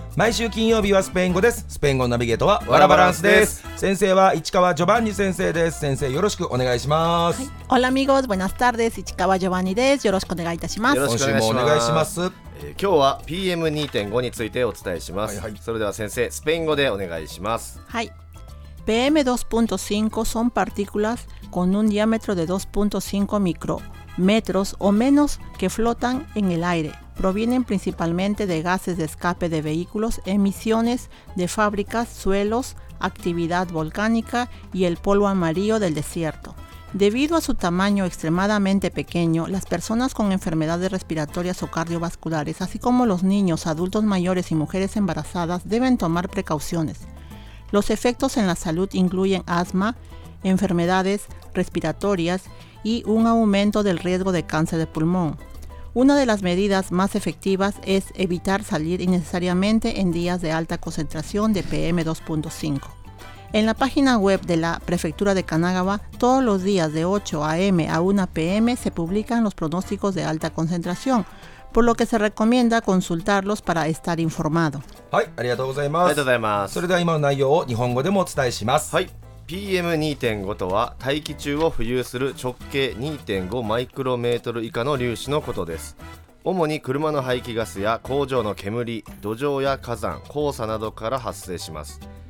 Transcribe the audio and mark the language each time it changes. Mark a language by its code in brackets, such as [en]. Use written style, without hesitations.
[ja] 毎週金曜日はスペイン語です。スペイン語のナビゲートはワラバランスです。先生は市川ジョバンニ先生です。先生よろしくお願いします。オラミゴーズ、ボナスタルです。市川ジョバンニです。よろしくお願いいたします。今週もお願いします。今日は PM2.5 についてお伝えします。はいはい、それでは先生スペイン語でお願いします。 [es] はい、PM2.5 son partículas con un diámetro de 2.5 micrometros o menos que flotan en el aire. Provienen principalmente de gases de escape de vehículos, emisiones de fábricas, suelos, actividad volcánica y el polvo amarillo del desierto. Debido a su tamaño extremadamente pequeño, las personas con enfermedades respiratorias o cardiovasculares, así como los niños, adultos mayores y mujeres embarazadas, deben tomar precauciones. Los efectos en la salud incluyen asma, enfermedades respiratorias y un aumento del riesgo de cáncer de pulmón. Una de las medidas más efectivas es evitar salir innecesariamente en días de alta concentración de PM2.5. En la página web de la Prefectura de Kanagawa, todos los días de 8 a.m. a 1 p.m. se publican los pronósticos de alta concentración, por lo que se recomienda consultarlos para estar informado. [ja] はい、ありがとうございます。ありがとうございます。それでは今の内容を日本語でもお伝えします。はい。 PM2.5 とは大気中を浮遊する直径 2.5 マイクロメートル以下の粒子のことです。主に車の排気ガスや工場の煙、土壌や火山、黄砂などから発生します。